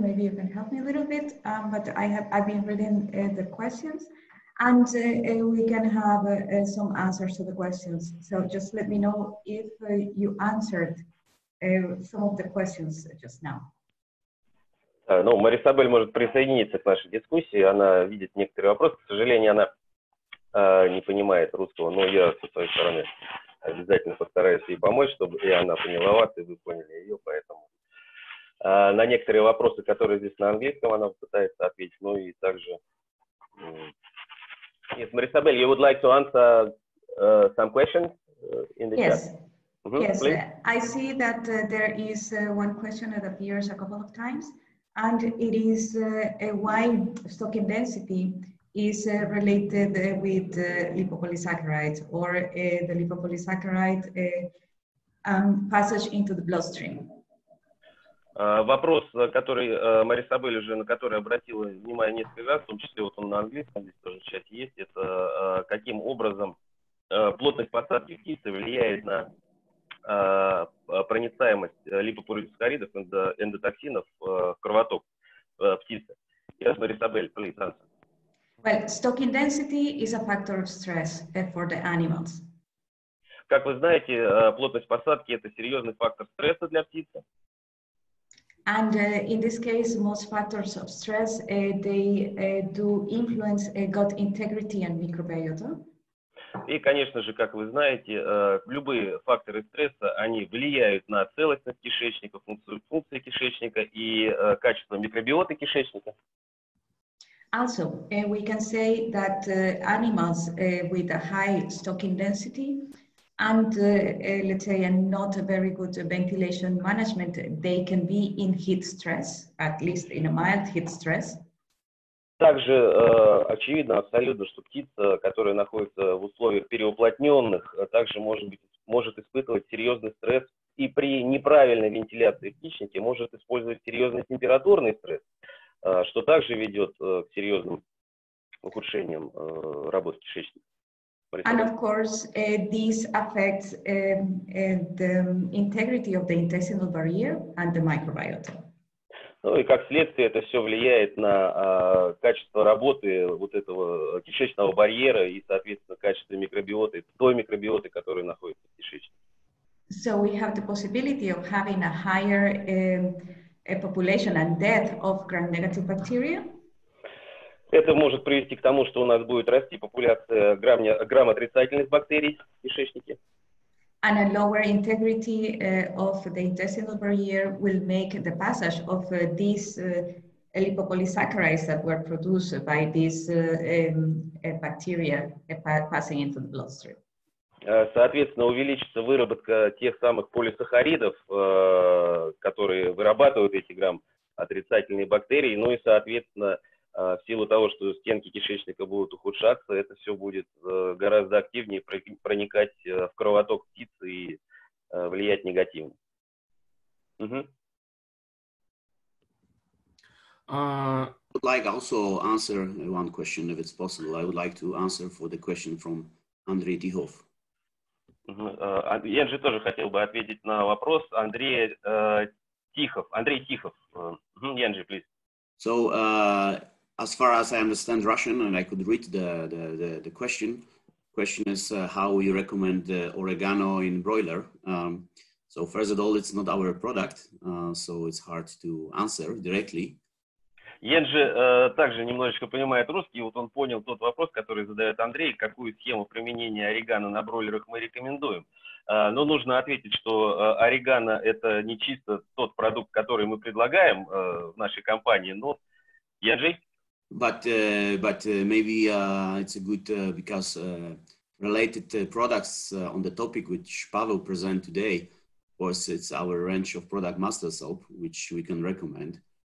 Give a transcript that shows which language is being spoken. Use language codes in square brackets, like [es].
[en] Maybe you can help me a little bit. But I've been reading the questions, and we can have some answers to the questions. So just let me know if you answered some of the questions just now. [ru] Ну, Марисабель может присоединиться к нашей дискуссии. Она видит некоторые вопросы. К сожалению, она не понимает русского, но я со своей стороны обязательно постараюсь ей помочь, чтобы и она поняла вас, и вы поняли ее, поэтому на некоторые вопросы, которые здесь на английском, она пытается ответить, ну и также... [en] Yes, Марисабель, you would like to answer some questions in the yes. chat? Mm-hmm, yes, please. I see that there is one question that appears a couple of times, and it is why stocking density is related with lipopolysaccharides or the lipopolysaccharide passage into the bloodstream. [ru] Вопрос, который Марисабель уже на который обратила внимание несколько раз, в том числе вот он на английском здесь тоже в чате есть, это каким образом плотность посадки кислоты влияет на проницаемость липопоросакаридов, эндотоксинов в кровоток птицы. [en] Yes, Марисабель, please answer. Well, stocking density is a factor of stress for the animals. [ru] Как вы знаете, плотность посадки это серьезный фактор стресса для птицы. [en] And in this case, most factors of stress they do influence gut integrity and microbiota. [ru] И, конечно же, как вы знаете, любые факторы стресса, они влияют на целостность кишечника, функции кишечника и качество микробиоты кишечника. [en] Also, we can say that animals with a high stocking density and, let's say, a not a very good ventilation management, they can be in heat stress, at least in a mild heat stress. [ru] Также очевидно абсолютно, что птица, которая находится в условиях переуплотненных, также может испытывать серьезный стресс и при неправильной вентиляции птичники может использовать серьезный температурный стресс, что также ведет к серьезным ухудшениям работы кишечника. [en] And of course, this affects the integrity of the intestinal barrier and the microbiota. [ru] Ну и как следствие, это все влияет на качество работы вот этого кишечного барьера и, соответственно, качество микробиоты, той микробиоты, которая находится в кишечнике. [en] So we have the possibility of having a higher a population and death of gram-negative bacteria. [ru] Это может привести к тому, что у нас будет расти популяция грам-отрицательных бактерий в кишечнике. [en] And a lower integrity of the intestinal barrier will make the passage of these lipopolysaccharides that were produced by these bacteria passing into the bloodstream. [ru] Соответственно, увеличится выработка тех самых полисахаридов, которые вырабатывают эти грам-отрицательные бактерии, ну и, соответственно, в силу того, что стенки кишечника будут ухудшаться, это все будет гораздо активнее проникать в кровоток птицы и влиять негативно. [en] I would like also answer one question, if it's possible. I would like to answer for the question from Andrei Tihov. [ru] Я же тоже хотел бы ответить на вопрос Андрея Тихов. Андрей Тихов. Янжи, [en] please. So, as far as I understand Russian, and I could read the question. Question is how you recommend the oregano in broiler. So first of all, it's not our product, so it's hard to answer directly. [ru] Енджи также немножечко понимает русский. Вот он понял тот вопрос, который задает Андрей, какую схему применения орегано на бройлерах мы рекомендуем. Но нужно ответить, что орегано это не чисто тот продукт, который мы предлагаем в нашей компании. Но Енджи [en] But maybe it's a good because related products on the topic which Pavel present today, of course, it's our range of product master soap, which we can recommend.